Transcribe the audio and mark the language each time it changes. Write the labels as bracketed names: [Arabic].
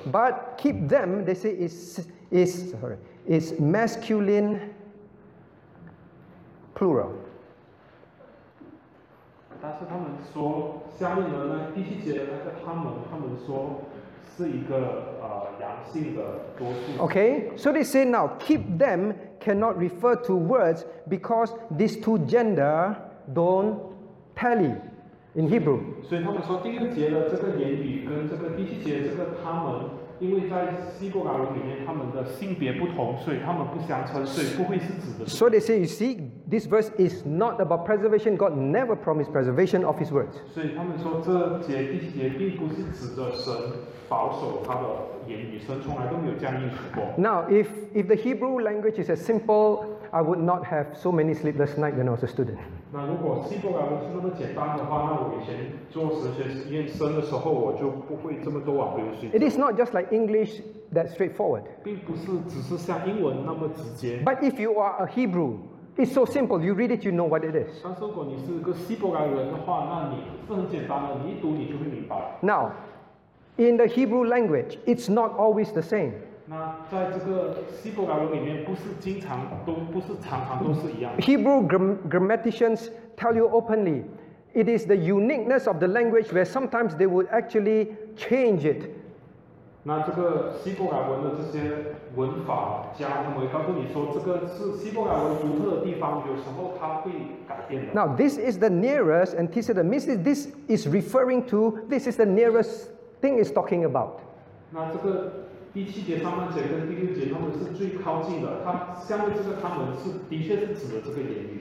[English] But keep them, they say is masculine plural。 [Chinese] 但是他们说下面的呢，第七节的那个他们说是一个阳性的多数词。 [English] Okay, so they say now keep them cannot refer to words because these two gender. Don't tally in Hebrew. [Chinese] 所以他们说第六节的这个言语跟这个第七节这个他们，因为在希伯来文里面他们的性别不同，所以他们不相称，所以不会是指的。 [English] So they say, you see, this verse is not about preservation. God never promised preservation of His words. [Chinese] 所以他们说这节第七节并不是指着神保守他的言语，神从来都没有这样应许过。 [English] Now, if the Hebrew language is as simple. I would not have so many sleepless nights when I was a student. [Chinese] 那如果希伯来文是那么简单的话，那我以前做神学院生的时候，我就不会这么多晚回去睡觉。 [English] It is not just like English that straightforward. [Chinese] 并不是只是像英文那么直接。 [English] But if you are a Hebrew, it's so simple. You read it, you know what it is. [Chinese] 但是如果你是个希伯来人的话，那你是很简单的，你一读你就会明白。 [English] Now, in the Hebrew language, it's not always the same. [Chinese] 那在这个希伯来文里面，不是常常都是一样的。 [English] Hebrew grammaticians tell you openly, it is the uniqueness of the language where sometimes they would actually change it [Chinese] 那这个希伯来文的这些文法家，他们会告诉你说，这个是希伯来文独特的地方，有时候它会改变的。 [English] Now this is the nearest, and he said, this is referring to. This is the nearest thing it's talking about. [Chinese] 那这个第七节上半节跟第六节他们是最靠近的，它下面这个他们是的确是指的这个言语。